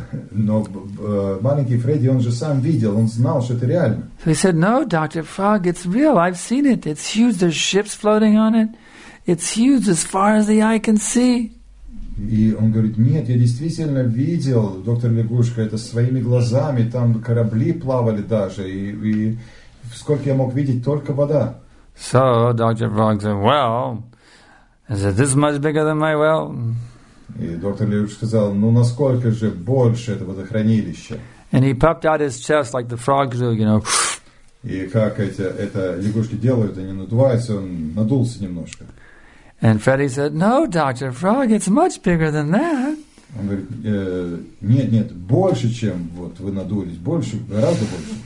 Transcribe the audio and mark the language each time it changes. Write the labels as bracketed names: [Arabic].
[Russian] Но маленький Фредди, он же сам видел, он знал, что это реально. [English] So he said, no, Dr. Frog, it's real, I've seen it, it's huge, there's ships floating on it, it's huge as far as the eye can see. [Russian] И он говорит, нет, я действительно видел, доктор лягушка, это своими глазами, там корабли плавали даже, и сколько я мог видеть, только вода. [English] So, Dr. Frog said, well, is it this much bigger than my well? [Russian] И доктор лягушка сказал, ну насколько же больше это водохранилище? [English] And he popped out his chest like the frogs do, you know. [Russian] И как это лягушки делают, они надуваются, он надулся немножко. [English] And Freddy said, no, Dr. Frog, it's much bigger than that. [Russian] Он говорит, нет, нет, больше, чем вот вы надулись, больше, гораздо больше.